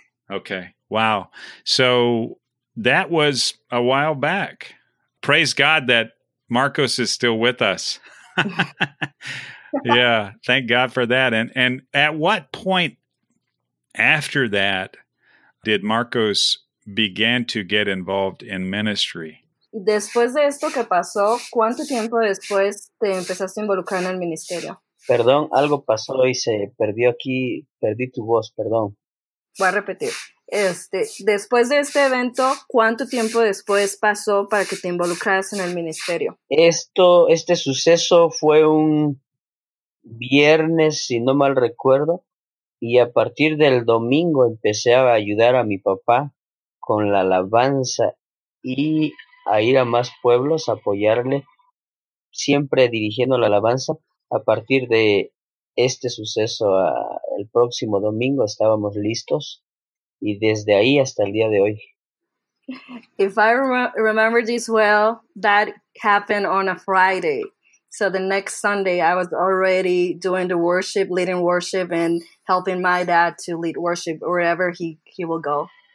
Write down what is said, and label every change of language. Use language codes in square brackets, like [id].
[en] Okay. Wow. So that was a while back. Praise God that Marcos is still with us. Yeah, thank God for that. And at what point after that did Marcos begin to get involved in ministry? [es] Después de esto que pasó, ¿cuánto tiempo después te empezaste a involucrar en el ministerio? Perdón, algo pasó y se perdió aquí, perdí tu voz, perdón. Voy a repetir. Después de este evento, ¿cuánto tiempo después pasó para que te involucras en el ministerio? Este suceso fue un viernes, si no mal recuerdo, y a partir del domingo empecé a ayudar a mi papá con la alabanza y a ir a más pueblos, apoyarle, siempre dirigiendo la alabanza. A partir de este suceso, el próximo domingo estábamos listos. Y desde ahí hasta el día de hoy. [en] If I remember this well, that happened on a Friday. So the next Sunday, I was already doing the worship, leading worship, and helping my dad to lead worship wherever he will go.